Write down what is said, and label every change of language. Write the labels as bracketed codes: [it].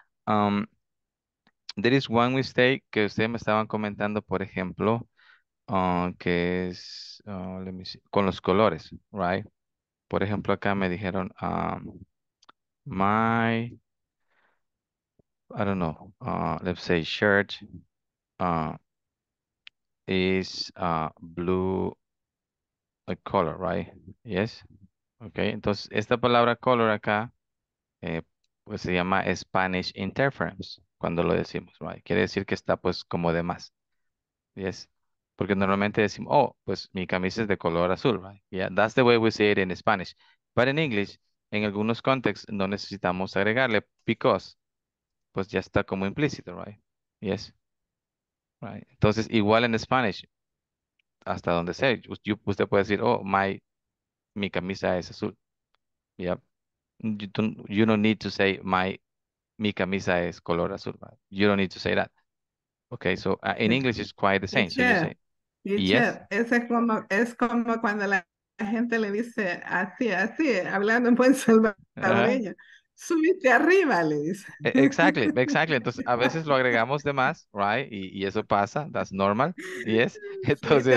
[en] There is one mistake [es] que ustedes me estaban comentando, por ejemplo, que es, [en] let me see, [es] con los colores, right? Por ejemplo, acá me dijeron, [en] my, I don't know, let's say shirt is blue color, right? Yes? [es] Okay, entonces esta palabra color acá, pues se llama [en] Spanish interference. [es] Cuando lo decimos, right? Quiere decir que está pues como de más. Yes. Porque normalmente decimos, oh, pues mi camisa es de color azul, right? [en] Yeah, that's the way we say it in Spanish. But in English, [es] en algunos contextos no necesitamos agregarle [en] because, [es] pues ya está como implícito, right? Yes. Right. Entonces, igual en Spanish, hasta donde sea, usted puede decir, oh, mi camisa es azul. [en] Yep. You don't need to say [es] mi camisa es color azul. [en] Right? You don't need to say that. Okay, so in English it's quite the same. Teacher, yes. [es] Es como cuando la gente le dice así, hablando en buen salvadoreño. Subiste arriba, le dice. [en] Exactly, exactly. [es] Entonces, a veces lo agregamos de más, right? Y eso pasa, [en] that's normal, yes. [es] Entonces,